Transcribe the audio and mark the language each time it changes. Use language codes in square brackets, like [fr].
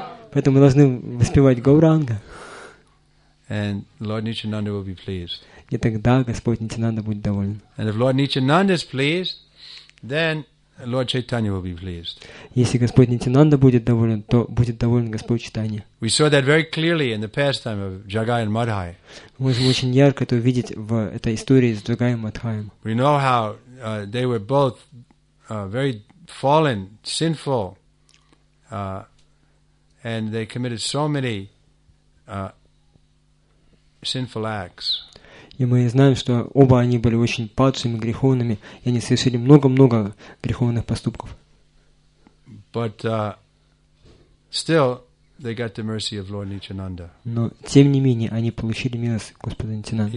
[ru] Поэтому мы должны воспевать Гауранга. [en] And Lord Nityananda will be pleased. [ru] И тогда Господь Нитянанда будет доволен. [en] And if Lord Nityananda is pleased, then Lord Chaitanya will be pleased. [ru] Если Господь Нитянанда будет доволен, то будет доволен Господь Чайтанья. [en] We saw that very clearly in the pastime of Jagai and Madhai. [ru] Мы можем очень ярко это увидеть в этой истории с Джагай и Мадхаем. [en] We know how they were both very fallen, sinful, and they committed so many sinful acts. [ru] И мы знаем, что оба они были очень падшими, греховными, и они совершили много-много греховных поступков. [en] But, still, they got the mercy of Lord Nityananda. [ru] Но, тем не менее, они получили милость Господа Нитянанды.